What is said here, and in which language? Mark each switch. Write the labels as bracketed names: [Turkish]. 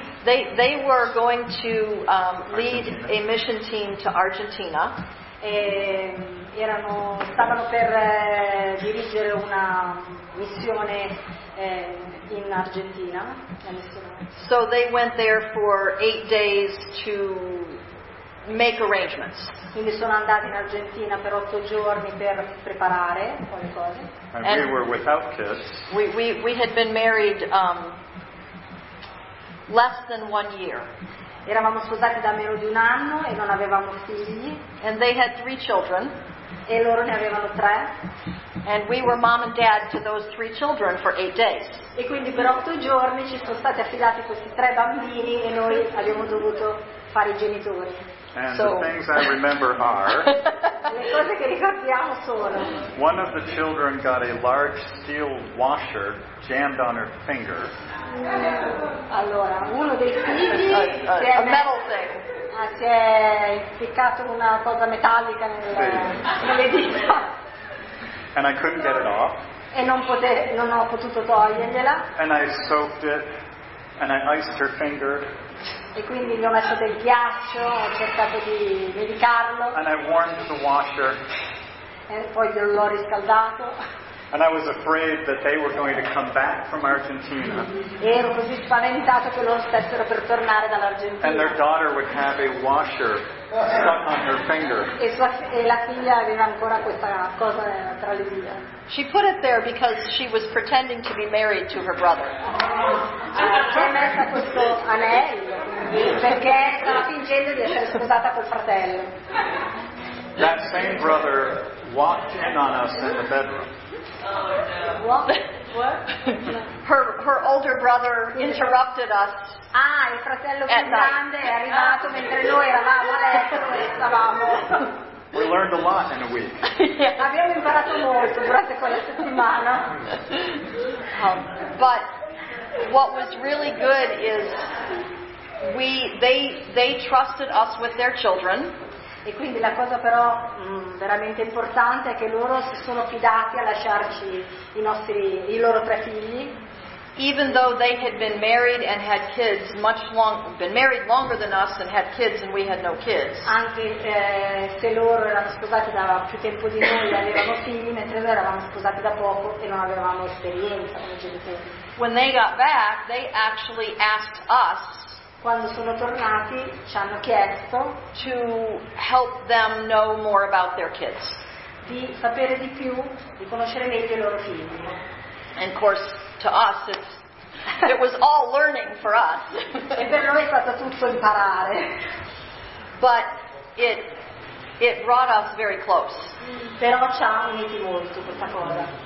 [English] they were going to lead a mission team to Argentina. [Italian] Stavano per dirigere una missione in Argentina. [English] So they went there for 8 days to make arrangements. [Italian] Quindi sono andati in Argentina per 8 giorni per preparare qualcosa. [English] And we were without kids. We had been married less than 1 year. [Italian] Eravamo sposati da meno di un anno e non avevamo figli. [English] And they had 3 children. [Italian] E loro ne avevano 3. [English] And we were mom and dad to those 3 children for 8 days. [Italian] E quindi per 8 giorni ci sono stati affidati questi 3 bambini e noi abbiamo dovuto fare i genitori. [English] And so, the things I remember are. [Italian] Le cose che ricordiamo sono. [English] One of the children got a large steel washer jammed on her finger. [Italian] Allora, uno dei figli si è ficcato una cosa metallica nelle dita. [English] And I couldn't get it off. [Italian] E non ho potuto togliergliela. [English] And I soaked it, and I iced her finger. [Italian] E quindi gli ho messo del ghiaccio, ho cercato di medicarlo. [English] And I warmed the washer. [Italian] E poi gliel'ho riscaldato. [English] And I was afraid that they were going to come back from Argentina. [Italian] E ero così spaventato che loro stessero per tornare dall'Argentina. [English] And their daughter would have a washer stuck on her finger. [Italian] E la figlia aveva ancora questa cosa tra le dita. [English] She put it there because she was pretending to be married to her brother. [Italian] Ci ha messo questo anello perché stava fingendo di essere sposata col fratello. [English] That same brother walked in on us in the bedroom. What? her older brother interrupted us. [Italian] Ah, il fratello più grande è arrivato mentre noi eravamo a letto e stavamo. [English] We learned a lot in a week. [Italian] Abbiamo imparato molto durante quella settimana. [English] But what was really good is they trusted us with their children. [Italian] E quindi la cosa però veramente importante è che loro si sono fidati a lasciarci i loro tre figli. [English] Even though they had been married and had kids been married longer than us and had kids and we had no kids. [Italian] Anche se loro erano sposati da più tempo di noi e avevano figli, mentre noi eravamo sposati da poco e non avevamo esperienza come genitori. [English] When they got back, they actually asked us. [Italian] Quando sono tornati, ci hanno chiesto [English] to help them know more about their kids. [Italian] Di sapere di più, di conoscere meglio i loro figli. [English] And of course, to us, it was all learning for us. [Italian] E per noi è stato tutto imparare. [English] But it brought us very close. [Italian] Però ci ha uniti molto questa cosa.